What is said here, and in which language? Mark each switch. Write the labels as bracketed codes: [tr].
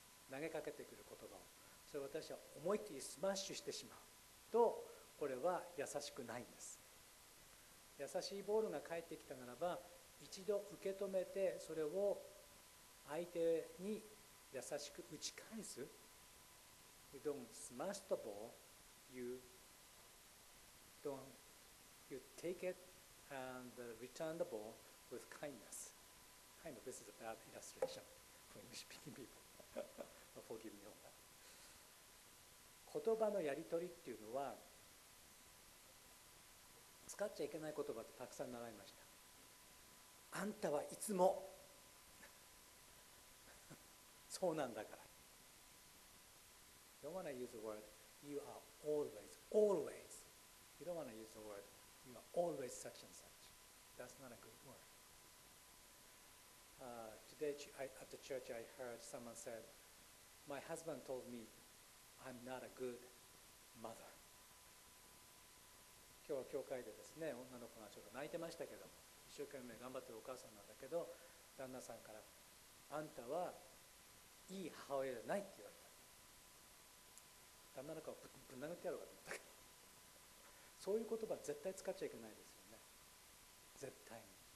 [ja] 投げかけてくる言葉を。それを私は思いっきりスマッシュしてしまうと、これは優しくないんです。優しいボールが返ってきたならば、一度受け止めて、それを相手に優しく打ち返す。 [en] You don't smash the ball, you take it and return the ball with kindness. Kind of, this is a bad illustration for English speaking people. Forgive me on that. [ja] 言葉のやり取りっていうのは使っちゃいけない言葉ってたくさん習いました。あんたはいつもそうなんだから。 [en] You don't want to use the word you are always, always. You don't want to use the word you are always such and such. That's not a good word. At the church I heard someone said, my husband told me I'm not a good mother. [ja] 今日は教会でですね、女の子がちょっと泣いてましたけども、一生懸命頑張ってるお母さんなんだけど、旦那さんからあんたはいい母親じゃないって言われた。旦那の顔をぶん殴ってやろうかと思ったけど、そういう言葉は絶対使っちゃいけないですよね。絶対に。